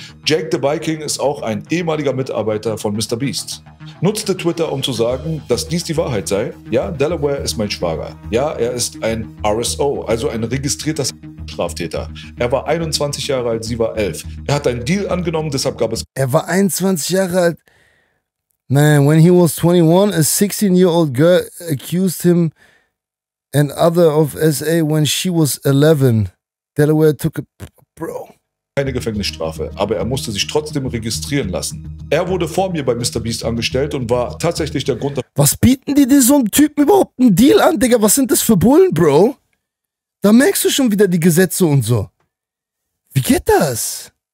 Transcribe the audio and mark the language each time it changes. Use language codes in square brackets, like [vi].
[de] Jake the Viking ist auch ein ehemaliger Mitarbeiter von Mr. Beast. Nutzte Twitter, um zu sagen, dass dies die Wahrheit sei. Ja, Delaware ist mein Schwager. Ja, er ist ein RSO, also ein registrierter Straftäter. Er war 21 Jahre alt, sie war 11. Er hat einen Deal angenommen, deshalb gab es... Er war 21 Jahre alt. [en] Man, when he was 21, a 16-year-old girl accused him and other of SA when she was 11. Delaware took a... Bro. [de] Keine Gefängnisstrafe, aber er musste sich trotzdem registrieren lassen. Er wurde vor mir bei Mr. Beast angestellt und war tatsächlich der Grund... Was bieten die diesem Typen überhaupt einen Deal an, Digga? Was sind das für Bullen, Bro? Da merkst du schon wieder die Gesetze und so. Wie geht das?